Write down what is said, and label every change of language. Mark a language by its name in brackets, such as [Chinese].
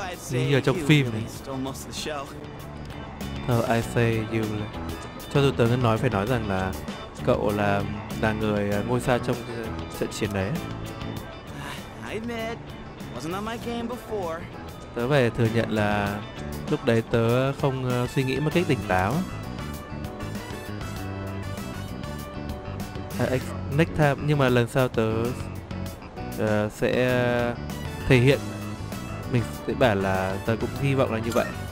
[Vietnamese] Như ở trong phim này. [English] Oh, I say you [Vietnamese] cho dù tớ nói phải nói rằng là cậu là người ngôi sao trong trận chiến đấy. [English] I admit, wasn't on my game before. [Vietnamese] Tớ phải thừa nhận là lúc đấy tớ không suy nghĩ một cách tỉnh táo. [English] Next time, [Vietnamese] nhưng mà lần sau tớ sẽ thể hiện, mình sẽ bảo là tớ cũng hy vọng là như vậy.